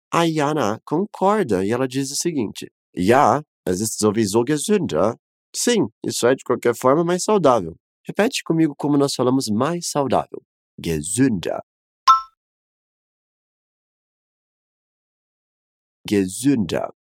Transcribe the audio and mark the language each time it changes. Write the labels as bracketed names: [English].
[Portuguese] Ayana concorda e ela diz o seguinte. [German] Ja, es ist sowieso gesünder. [Portuguese] Sim, isso é de qualquer forma mais saudável. Repete comigo como nós falamos mais saudável. Gesünder. [German] Gesünder.